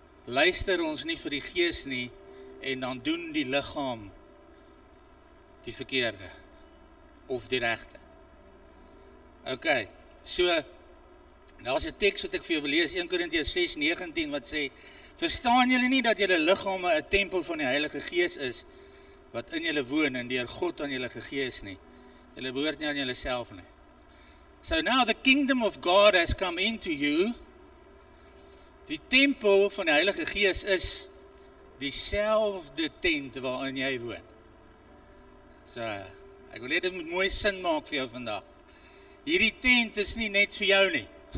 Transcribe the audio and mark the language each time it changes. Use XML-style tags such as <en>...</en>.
<af>Luister ons nie vir die gees nie en dan doen die lichaam die verkeerde. Of die regte. Ok, so, daar is 'n tekst wat ek vir jou wil lees, 1 Korintiërs 6:19 wat sê, verstaan julle nie dat julle liggame 'n tempel van die Heilige Gees is, wat in julle woon en deur God aan julle gegee is nie. Julle behoort nie aan julle self nie.</af> <en>So now the kingdom of God has come into you.</en> <af>Die tempel van die Heilige Gees is dieselfde tent waarin jy woon. So, ek wil net met mooi sin maak vir jou vandag. Hierdie tent is nie net vir jou nie.</af>